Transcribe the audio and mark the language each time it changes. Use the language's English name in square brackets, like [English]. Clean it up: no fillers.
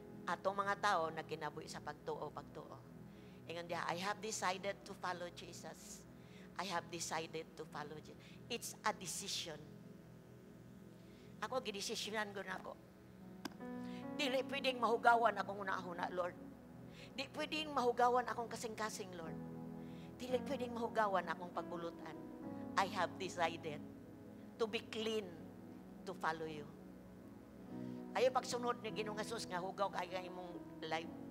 [Cebuano] Ato mga tao nagkinabuhi sa pagtuo. Ingon diha, [English] I have decided to follow Jesus. I have decided to follow Jesus. It's a decision. [Cebuano] Ako gidesisyonan gud nako. Dili pwedeng mahugawan akong una-una, Lord. Di pwedeng mahugawan akong kasing-kasing, Lord. Dili pwedeng mahugawan akong pagbulutan. [English] I have decided to be clean. To follow you. [Cebuano] Ayaw pagsunod ni Ginoong Jesus nga hugaw kaya imong life.